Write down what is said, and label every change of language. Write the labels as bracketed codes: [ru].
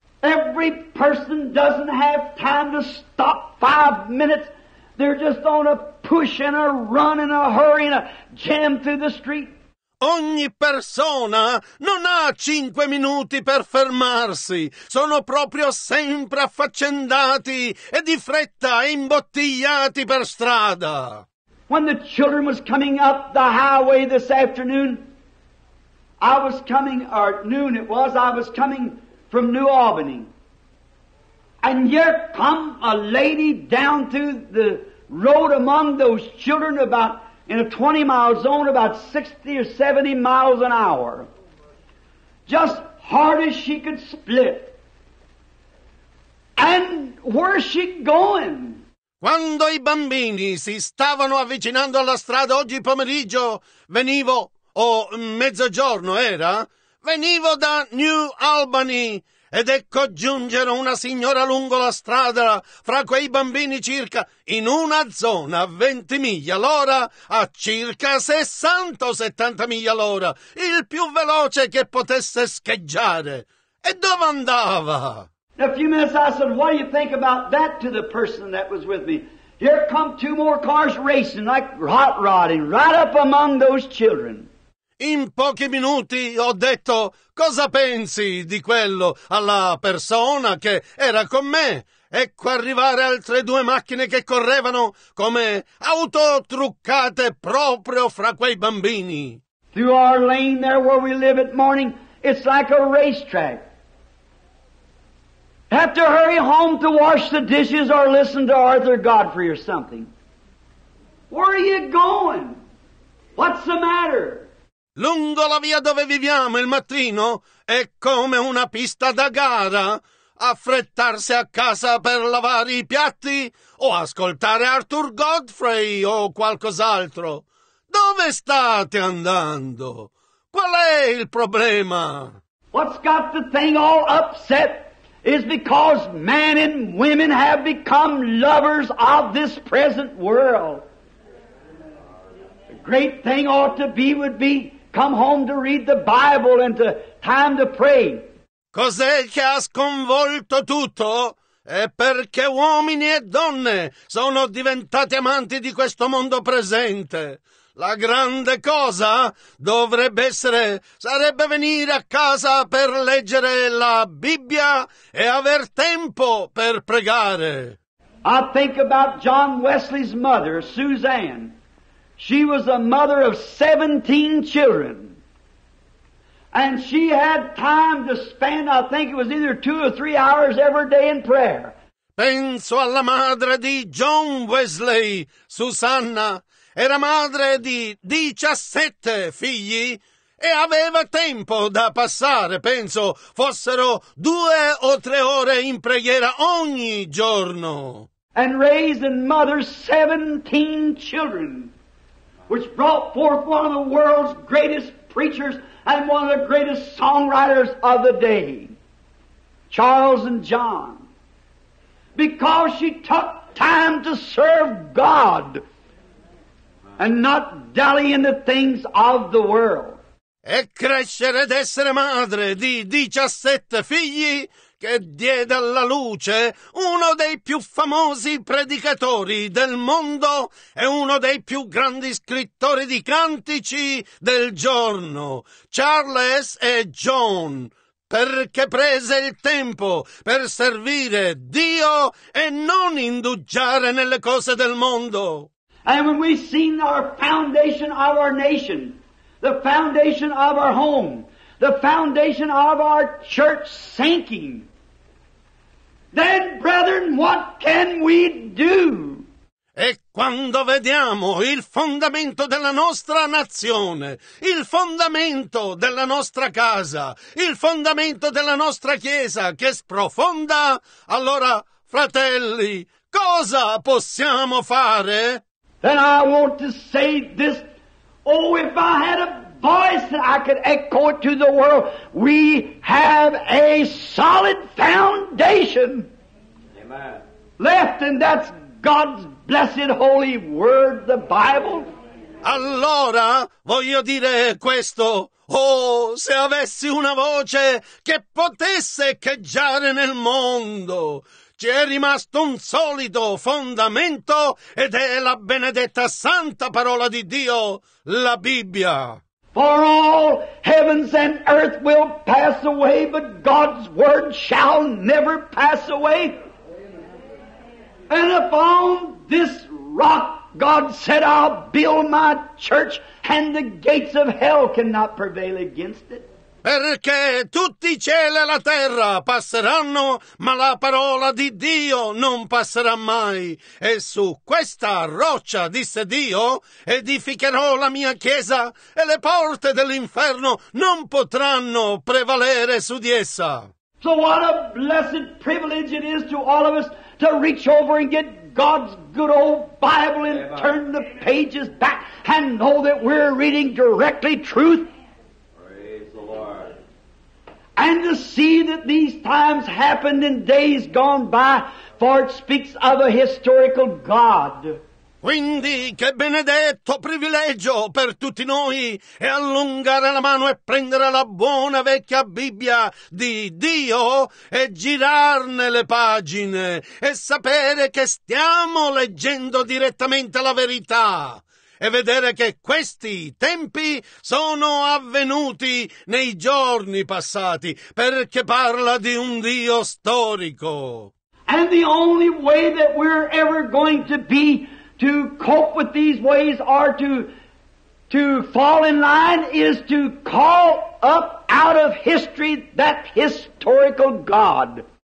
[en] Every person doesn't have time to stop 5 minutes. They're just on a push and a run and a hurry and a jam through the street. [it] Ogni persona non ha 5 minuti per fermarsi. Sono proprio sempre affaccendati e di fretta imbottigliati per strada. [en] When the children was coming up the highway this afternoon, I was coming, or noon it was, I was coming from New Albany. And here come a lady down through the road among those children about in a 20-mile zone, about 60 or 70 miles an hour. Just hard as she could split. And where's she going? [it] Quando i bambini si stavano avvicinando alla strada oggi pomeriggio, venivo... o mezzogiorno era, venivo da New Albany ed ecco giungere una signora lungo la strada fra quei bambini circa in una zona a 20 miglia l'ora a circa 60 o 70 miglia l'ora, il più veloce che potesse scheggiare. E dove andava? [en] A few minutes I said, what do you think about that to the person that was with me? Here come two more cars racing like hot rodding right up among those children. [it] In pochi minuti ho detto, cosa pensi di quello alla persona che era con me? Ecco arrivare altre due macchine che correvano come auto truccate proprio fra quei bambini. [en] Through our lane there where we live at morning, it's like a racetrack. Have to hurry home to wash the dishes or listen to Arthur Godfrey or something. Where are you going? What's the matter? [it] Lungo la via dove viviamo il mattino è come una pista da gara. Affrettarsi a casa per lavare i piatti o ascoltare Arthur Godfrey o qualcos'altro. Dove state andando? Qual è il problema? [en] What's got the thing all upset is because men and women have become lovers of this present world. The great thing ought to be would be come home to read the Bible and to time to pray. [it] Cos'è che ha sconvolto tutto? È perché uomini e donne sono diventati amanti di questo mondo presente. La grande cosa dovrebbe essere, sarebbe venire a casa per leggere la Bibbia e aver tempo per pregare. [en] I think about John Wesley's mother, Suzanne. She was a mother of 17 children, and she had time to spend, I think it was either 2 or 3 hours every day in prayer. [it] Penso alla madre di John Wesley, Susanna, era madre di 17 figli e aveva tempo da passare, penso fossero 2 o 3 ore in preghiera ogni giorno. [en] and raised and mothered 17 children, which brought forth one of the world's greatest preachers and one of the greatest songwriters of the day, Charles and John. Because she took time to serve God and not dally in the things of the world. [it] E crescere ed essere madre di 17 figli che diede alla luce uno dei più famosi predicatori del mondo e uno dei più grandi scrittori di cantici del giorno, Charles e John, perché prese il tempo per servire Dio e non indugiare nelle cose del mondo. [en] And when we've seen our foundation of our nation, the foundation of our home, the foundation of our church sinking, then, brethren, what can we do? [it] E quando vediamo il fondamento della nostra nazione, il fondamento della nostra casa, il fondamento della nostra chiesa che sprofonda, allora, fratelli, cosa possiamo fare? [en] Then I want to say this. Oh, if I had a voice that I could echo it to the world, we have a solid foundation. Amen. Left, and that's God's blessed holy word, the Bible. [it] Allora, voglio dire questo. Oh, se avessi una voce che potesse echeggiare nel mondo. Ci è rimasto un solido fondamento ed è la benedetta santa parola di Dio, la Bibbia. [en] For all heavens and earth will pass away, but God's word shall never pass away. And upon this rock God said, I'll build my church, and the gates of hell cannot prevail against it. [it] Perché tutti i cieli e la terra passeranno, ma la parola di Dio non passerà mai. E su questa roccia, disse Dio, edificherò la mia chiesa, e le porte dell'inferno non potranno prevalere su di essa. [en] So what a blessed privilege it is to all of us to reach over and get God's good old Bible and turn the pages back and know that we're reading directly truth. And to see that these times happened in days gone by, for it speaks of a historical God. [it] Quindi, che benedetto privilegio per tutti noi è allungare la mano e prendere la buona vecchia Bibbia di Dio e girarne le pagine e sapere che stiamo leggendo direttamente la verità. E vedere che questi tempi sono avvenuti nei giorni passati, perché parla di un Dio storico. [en] And the only way that we're ever going to be to cope with these ways are to fall in line is to call up out of history that historical God.